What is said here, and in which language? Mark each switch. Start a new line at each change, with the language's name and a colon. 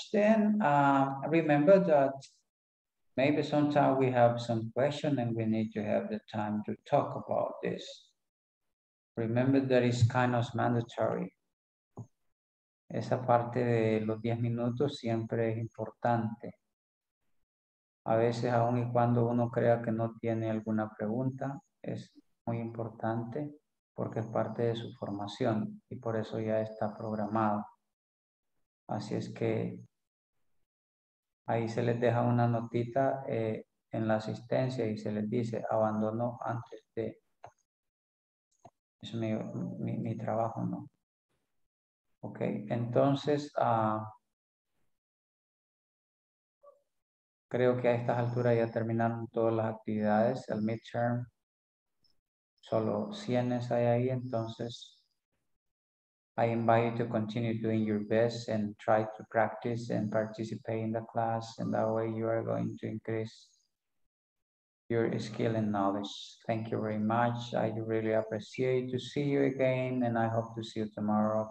English: Then remember that maybe sometime we have some question and we need to have the time to talk about this. Remember that it's kind of mandatory.
Spanish: Esa parte de los 10 minutos siempre es importante. A veces, aun y cuando uno crea que no tiene alguna pregunta, es muy importante porque es parte de su formación y por eso ya está programado. Así es que ahí se les deja una notita en la asistencia y se les dice, abandono antes de... Es mi trabajo, ¿no? Ok, entonces... creo que a estas alturas ya terminaron todas las actividades, el midterm. Solo 100 hay ahí, entonces
English: I invite you to continue doing your best and try to practice and participate in the class, and that way you are going to increase your skill and knowledge. Thank you very much. I really appreciate to see you again, and I hope to see you tomorrow.